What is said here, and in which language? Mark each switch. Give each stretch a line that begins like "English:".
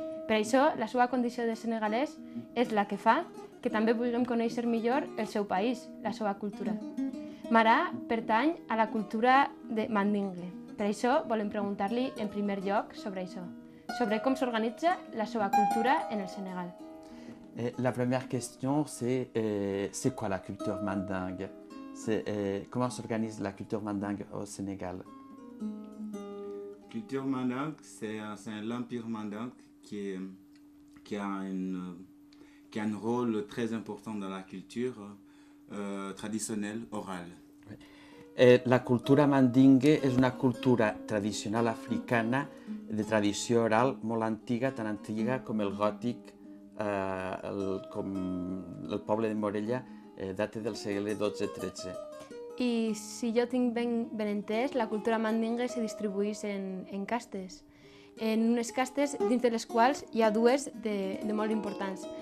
Catalan: Per això, la seva condició de senegalès és la que fa que també puguem conèixer millor el seu país, la seva cultura. Mara pertany a la cultura de Mandingue. Per això, volem preguntar-li en primer lloc sobre això, sobre com s'organitza la seva cultura en el Senegal.
French: La première question, c'est quoi la culture mandingue? Comment s'organise la culture mandingue au Sénégal? Culture mandingue, c'est l'empire mandingue qui a un rôle très important dans la culture traditionnelle orale.
Catalan: La cultura mandingue és una cultura tradicional africana de tradició oral molt antiga, tan antiga com el gòtic. Com el poble de Morella data del segle XII-XIII. I si jo tinc ben entès, la cultura mandingue se distribueix en castes, en unes castes dins de les quals hi ha dues de molt importants.